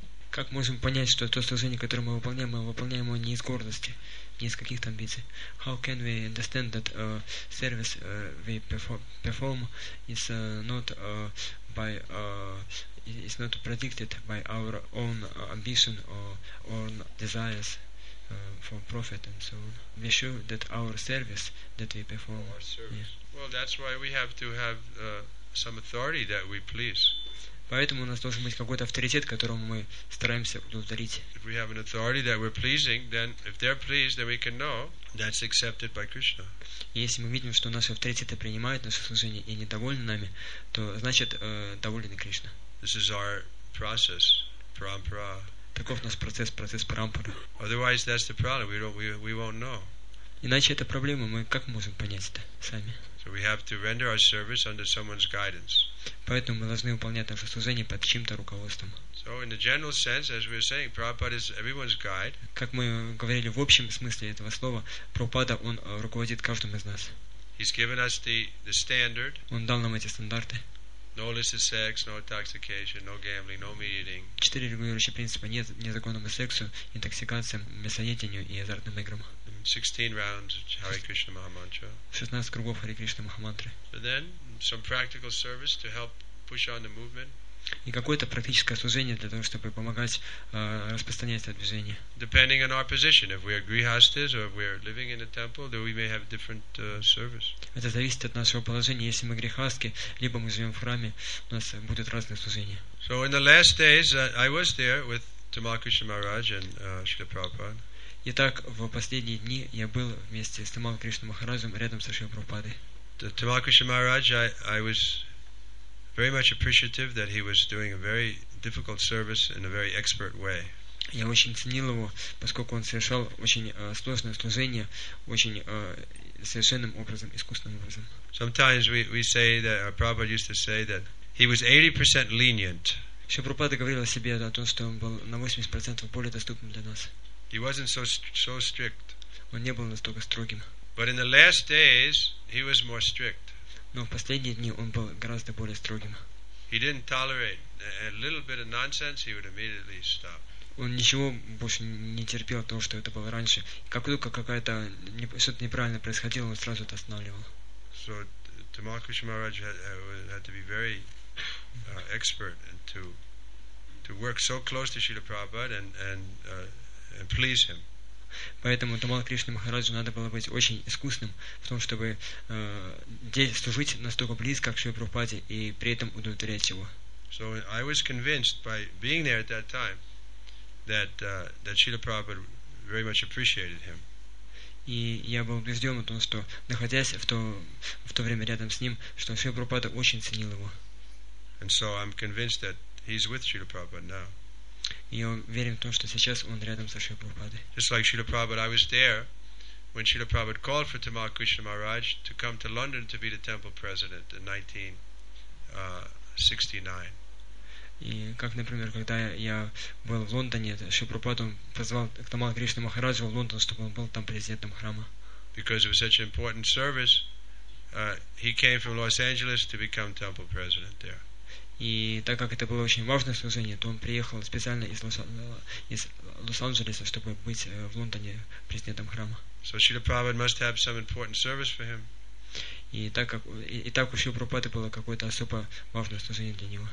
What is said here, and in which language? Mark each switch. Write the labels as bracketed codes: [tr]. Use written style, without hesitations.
[ru] Как можем понять, что то служение, которое мы выполняем его не из гордости, не из каких-то амбиций? [en] How can we understand that service we perform is not by is not predicted by our own ambition or desires for profit and so on? We show that our service that we perform. Yeah. Well, that's why we have to have some authority that we please. [ru] Поэтому у нас должен быть какой-то авторитет, которому мы стараемся удовлетворить. [en] If we have an authority that we're pleasing, then if they're pleased, then we can know that's accepted by Krishna. [ru] Если мы видим, что наши авторитеты принимают наше служение и недовольны нами, то значит доволен Кришна. [en] This is our process, parampara. [ru] Таков наш процесс, процесс парампара. [en] Otherwise, that's the problem. We won't know. [ru] Иначе это проблема. Мы как можем понять это сами? [en] So we have to render our service under someone's guidance. [ru] Поэтому мы должны выполнять наше служение под чьим-то руководством. [en] So in the general sense, as we were saying, Prabhupada is everyone's guide. [ru] Как мы говорили в общем смысле этого слова, Прабхупада он руководит каждым из нас. [en] He's given us the standard. [ru] Он дал нам эти стандарты. [en] No illicit sex, no intoxication, no gambling, no meat eating. [ru] Четыре регулирующие принципа: нет незаконному сексу, интоксикациям, мясоедению и азартным играм. [en] 16 rounds of Hare Krishna Mahamantra. [ru] 16 кругов Hare Krishna Mahamantra. [en] So then, some practical service to help push on the movement. [ru] И какое-то практическое служение для того, чтобы помогать распространять это движение. [en] Depending on our position, if we are grihasthas or if we are living in a temple, then we may have different service. [ru] Это зависит от нашего положения. Если мы грихастки, либо мы живем в храме, у нас будет разное служение. [en] So in the last days, I was there with Tamal Krishna Maharaj and Srila Prabhupada. [ru] Итак, в последние дни я был вместе с Тамал Кришна Махараджем рядом со Шрилой Прабхупадой. [en] Тамал Кришна Махарадж, I was very much appreciative that he was doing a very difficult service in a very expert way. [ru] Я очень ценил его, поскольку он совершал очень сложное служение, очень совершенным образом, искусным образом. [en] Sometimes we say that Prabhupada used to say that he was 80% lenient. [ru] Шрила Прабхупада говорил о себе о том, что он был на 80% более доступным для нас. [en] He wasn't so strict. [ru] Он не был настолько строгим. [en] But in the last days, he was more strict. [ru] Но в последние дни он был гораздо более строгим. [en] He didn't tolerate a little bit of nonsense. He would immediately stop. [ru] Он ничего больше не терпел того, что это было раньше. Как только какая-то что-то неправильное происходило, он сразу это останавливал. [en] So Tamal Krishna Maharaj had to be very expert and to work so close to Srila Prabhupada and please him. [ru] Поэтому Тамал Кришна Махараджу надо было быть очень искусным в том, чтобы служить настолько близко к Шри Прабхупаде и при этом удовлетворять его. [en] So I was convinced by being there at that time that that Srila Prabhupada very much appreciated him. [ru] И я был убежден в том, что находясь в то время рядом с ним, что Шри Прабхупада очень ценил его. [en] And so I'm convinced that he's with Srila Prabhupada now. [ru] И я уверен в том, что сейчас он рядом со Шрилой Прабхупадой. [en] Just like Srila Prabhupada, I was there when Srila Prabhupada called for Tamal Krishna Maharaj to come to London to be the temple president in 1969. [ru] И как, например, когда я был в Лондоне, Шрила Прабхупада позвал Тамал Кришна Махараджа в Лондон, чтобы он был там президентом храма. [en] Because it was such an important service, he came from Los Angeles to become temple president there. [ru] И так как это было очень важное служение, то он приехал специально из Лос-Анджелеса, чтобы быть в Лондоне президентом храма. [en] So Srila Prabhupada must have some important service for him. [ru] И так у Шрилы Прабхупады было какое-то особо важное служение для него.